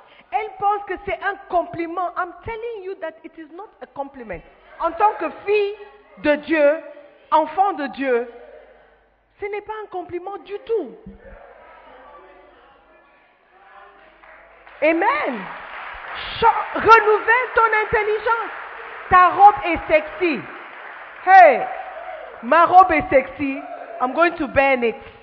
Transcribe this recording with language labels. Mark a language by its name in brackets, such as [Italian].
[French] Elles pensent que c'est un compliment. [English] I'm telling you that it is not a compliment. [French] En tant que fille de Dieu, enfant de Dieu, ce n'est pas un compliment du tout. Amen. Renouvelle ton intelligence. Ta robe est sexy. Hey, ma robe est sexy. [English] I'm going to burn it.